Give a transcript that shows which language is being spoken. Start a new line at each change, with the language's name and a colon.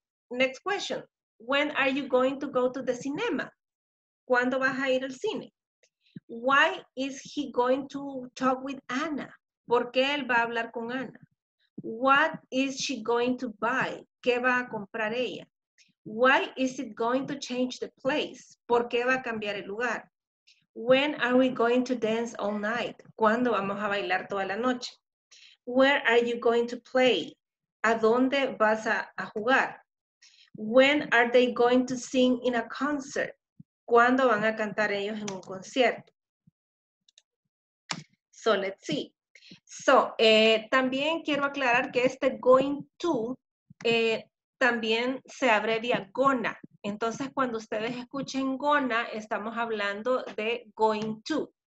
English: Next question, when are you going to go to the cinema?
Spanish: ¿Cuándo vas a ir al cine?
English: Why is he going to talk with Anna?
Spanish: ¿Por qué él va a hablar con Anna?
English: What is she going to buy?
Spanish: ¿Qué va a comprar ella?
English: Why is it going to change the place?
Spanish: ¿Por qué va a cambiar el lugar?
English: When are we going to dance all night?
Spanish: ¿Cuándo vamos a bailar toda la noche?
English: Where are you going to play?
Spanish: ¿A dónde vas a jugar?
English: When are they going to sing in a concert?
Spanish: ¿Cuándo van a cantar ellos en un concierto?
English: So, let's see.
Spanish: So, también quiero aclarar que este going to también se abrevia gonna. Entonces, cuando ustedes escuchen gonna, estamos hablando de going to.